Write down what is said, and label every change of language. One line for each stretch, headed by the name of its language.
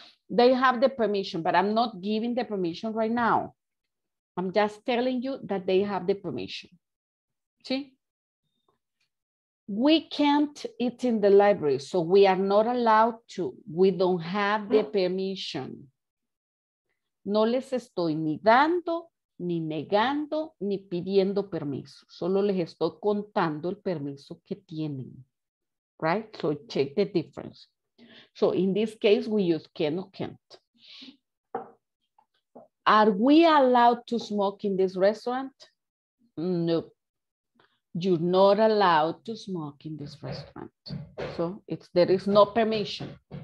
English: They have the permission, but I'm not giving the permission right now. I'm just telling you that they have the permission. See? We can't eat in the library, so we are not allowed to. We don't have the permission.
Spanish: No les estoy ni dando, ni negando, ni pidiendo permiso. Solo les estoy contando el permiso que tienen.
English: Right? So check the difference. So in this case, we use can or can't. Are we allowed to smoke in this restaurant? No. You're not allowed to smoke in this restaurant. So it's, there is no permission.